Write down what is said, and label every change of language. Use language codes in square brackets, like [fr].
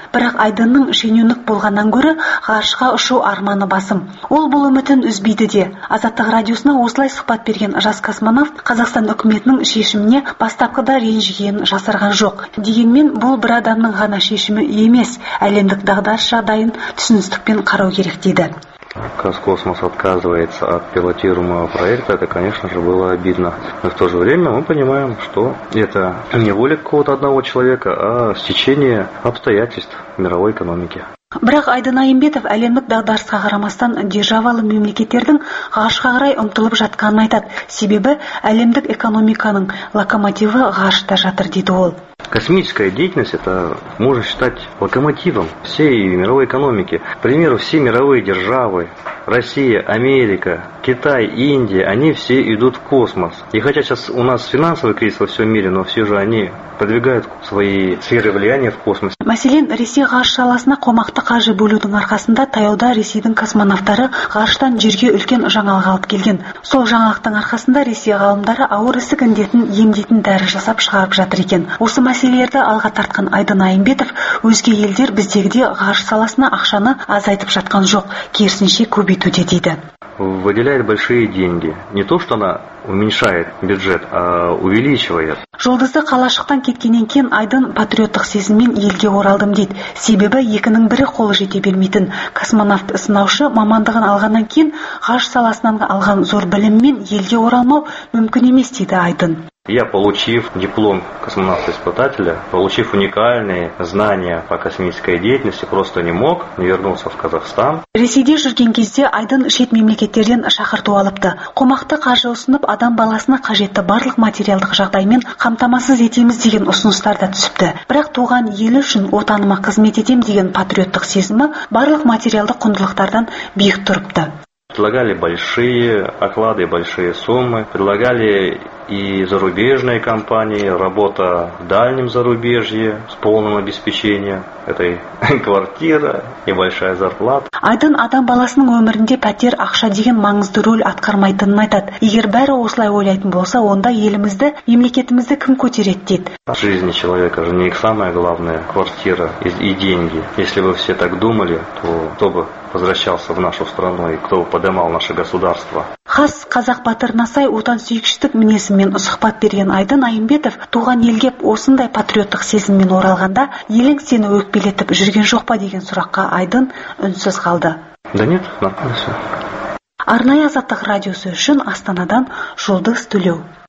[kk] Бірақ Айдынның шенеунік болғаннан гөрі ғарышқа ұшу арманы басым. Ол бұл үмітін үзбейді де. Азаттық радиосына осылай сұхбат берген жас космонавт Қазақстан үкіметінің шешіміне бастапқыда ренжігенін жасырған жоқ. Дегенмен бұл бір адамның ғана шешімі емес, әлемдік дағдарыс жағдайын түсіністікпен қарау керек дейді. [ru] Казкосмос отказывается от пилотируемого проекта, это, конечно же, было обидно. Но в то же время мы понимаем, что это не воля какого-то одного человека, а стечение обстоятельств мировой экономики. [kk] Бірақ Айдын Айымбетов әлемдік дағдарысқа қарамастан державалы мемлекеттердің ғарышқа қарай ұмтылып жатқанын айтады. Себебі әлемдік экономиканың локомотиві ғарышта жатыр дейді ол. [ru] Космическая деятельность, это можно считать локомотивом всей мировой экономики. К примеру, все мировые державы, Россия, Америка, Китай, Индия, они все идут в космос. И хотя сейчас у нас финансовый кризис во всем мире, но все же они продвигают свои сферы влияния в космос. [kk] Мәселен, Ресей ғарыш саласына қомақты қаржы бөлудің арқасында таяуда Ресейдің космонавтары ғарыштан жерге үлкен жаңалық алып келген. Сол жаңалықтың арқасында Ресей ғалымдары ауыр ісік індетін емдейтін дәрі жасап шығарып жатыр екен. Осы мәселелерді алға тартқан Айдын Айымбетов, өзге елдер біздегіде ғарыш саласына ақшаны азайтып жатқан жоқ, керісінше көбейтуде дейді. [ru] Выделяет большие деньги. Не то, что она уменьшает бюджет, а увеличивает. [kk] Жолдызды қалашықтан кеткенен кен Айдын патриоттық сезіммен елге оралдым дейді. Себебі екінің бірі қолы жете бермейтін. Космонавт сынаушы мамандығын алғаннан кен ғарыш саласынан алған зор біліммен елге оралмау мүмкін емес дейді Айдын. [ru] Я, получив диплом космонавта-испытателя, получив уникальные знания по космической деятельности, просто не мог вернуться в Казахстан. [kk] Ресейде жүрген кезде Айдын шет мемлекеттерден шақырту алыпты. Қомақты қаржы ұсынып, адам баласына қажетті барлық материалдық жағдаймен қамтамасыз етеміз деген ұсыныстар да түсіпті. Бірақ туған елі үшін отаныма қызмет етем деген патриоттық сезімі барлық материалдық құндылықтардан биік тұрыпты. [ru] Предлагали большие оклады, большие суммы, предлагали и зарубежные компании, работа в дальнем зарубежье с полным обеспечением этой квартиры и большая зарплата. [kk] Айдын адам баласының өмірінде пәтер ақша деген маңызды рөл атқармайтынын айтады. Егер бәрі осылай ойлайтын болса, онда елімізді, мемлекетімізді кім көтереді дейді. [ru] В жизни человека же не самое главное квартира и деньги. Если бы все так думали, то кто бы возвращался в нашу страну и кто бы поднимал наше государство. [kk] Хас қазақ батырына сай отансүйгіштік мінезімен сұхбат берген Айдын Айымбетов туған елге осындай патриоттық сезіммен оралғанда елің сені өкпелетіп жүрген жоқ па деген сұраққа Айдын үнсіз қалды. [ru] Да нет, нормально все. [kk] Арнайы Азаттық радиосы үшін Астанадан Жұлдыз Төлеу.